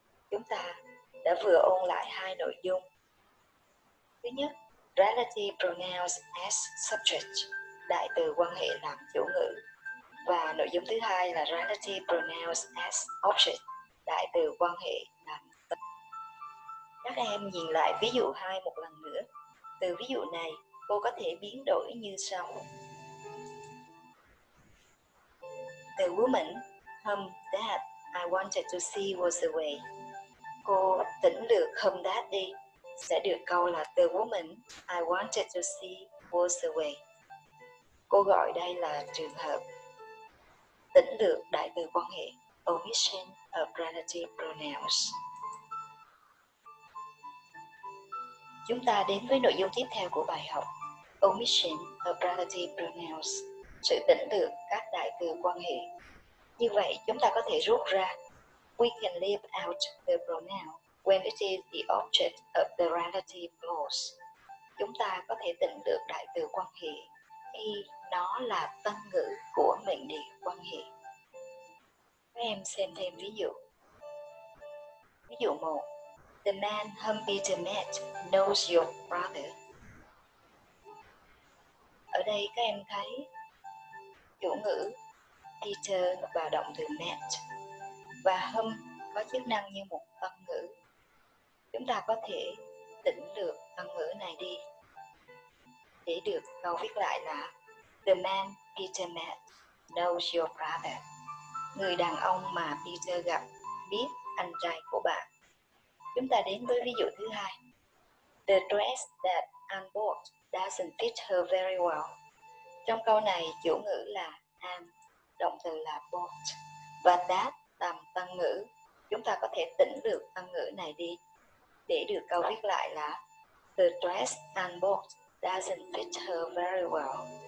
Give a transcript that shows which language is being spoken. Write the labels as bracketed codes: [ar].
[vi] Chúng ta đã vừa ôn lại hai nội dung. Thứ nhất, [en] relative pronouns as subject, [vi] đại từ quan hệ làm chủ ngữ. Và nội dung thứ hai là [en] relative pronouns as object, [vi] đại từ quan hệ làm tân. Các em nhìn lại ví dụ 2 một lần nữa. Từ ví dụ này, cô có thể biến đổi như sau. [en] The woman whom that I wanted to see was away. [vi] Cô tỉnh lược whom that đi sẽ được câu là [en] the woman I wanted to see was away. [vi] Cô gọi đây là trường hợp tỉnh lược đại từ quan hệ, [en] omission of relative pronouns. [vi] Chúng ta đến với nội dung tiếp theo của bài học, [en] omission of relative pronouns, [vi] sự tỉnh lược các đại từ quan hệ. Như vậy chúng ta có thể rút ra [en] we can leave out the pronoun when it is the object of the relative clause. [vi] Chúng ta có thể tỉnh lược đại từ quan hệ khi nó là tân ngữ của mệnh đề quan hệ. Các em xem thêm ví dụ. Ví dụ 1. [en] The man whom Peter met knows your brother. [vi] Ở đây các em thấy chủ ngữ Peter và động từ met. Và whom có chức năng như một tân ngữ. Chúng ta có thể tỉnh lược tân ngữ này đi để được câu viết lại là [en] the man Peter met knows your brother. [vi] Người đàn ông mà Peter gặp biết anh trai của bạn. Chúng ta đến với ví dụ thứ hai. [en] The dress that Anne bought doesn't fit her very well. [vi] Trong câu này chủ ngữ là Anne, động từ là bought và that làm tân ngữ. Chúng ta có thể tỉnh lược tân ngữ này đi để được câu viết lại là [en] the dress Anne bought doesn't fit her very well.